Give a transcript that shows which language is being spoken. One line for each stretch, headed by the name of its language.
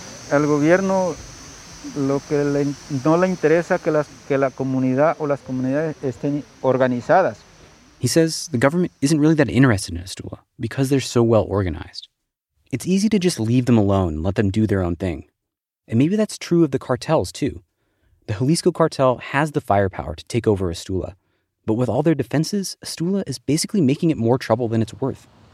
Spanish: El gobierno... Lo que le, no le interesa que las, que la comunidad o las comunidades estén organizadas.
English: He says the government isn't really that interested in Asula because they're so well organized. It's easy to just leave them alone and let them do their own thing. And maybe that's true of the cartels too. The Jalisco cartel has the firepower to take over Asula. But with all their defenses, Asula is basically making it more trouble than it's worth.